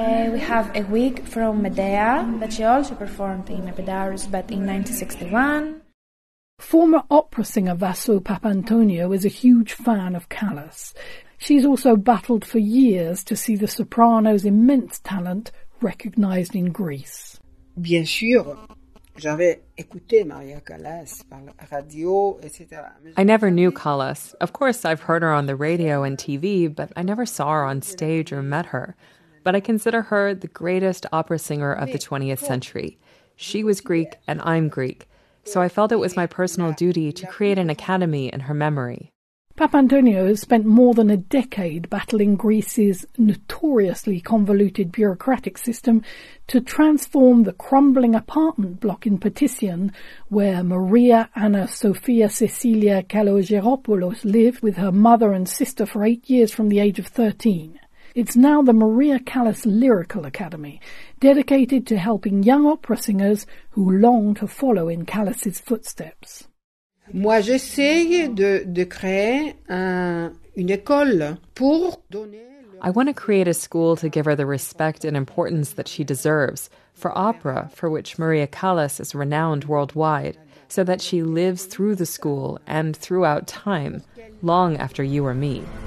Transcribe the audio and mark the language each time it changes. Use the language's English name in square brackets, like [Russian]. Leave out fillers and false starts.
[English] We have a wig from Medea that she also performed in Epidaurus but in 1961. Former opera singer Vasu Papantonio is a huge fan of Callas. She's also battled for years to see the soprano's immense talent recognized in Greece. [French] Bien sûr, j'avais écouté Maria Callas par la radio, etc. [English] I never knew Callas. Of course, I've heard her on the radio and TV, but I never saw her on stage or met her. But I consider her the greatest opera singer of the 20th century. She was Greek and I'm Greek, so I felt it was my personal duty to create an academy in her memory. Papantonio has spent more than a decade battling Greece's notoriously convoluted bureaucratic system to transform the crumbling apartment block in Petition, where Maria Anna Sophia Cecilia Kalogeropoulos lived with her mother and sister for 8 years from the age of 13. It's now the Maria Callas Lyrical Academy, dedicated to helping young opera singers who long to follow in Callas's footsteps. [French] Moi, j'essaye de créer une école pour donner. [English] I want to create a school to give her the respect and importance that she deserves for opera, for which Maria Callas is renowned worldwide, so that she lives through the school and throughout time, long after you or me.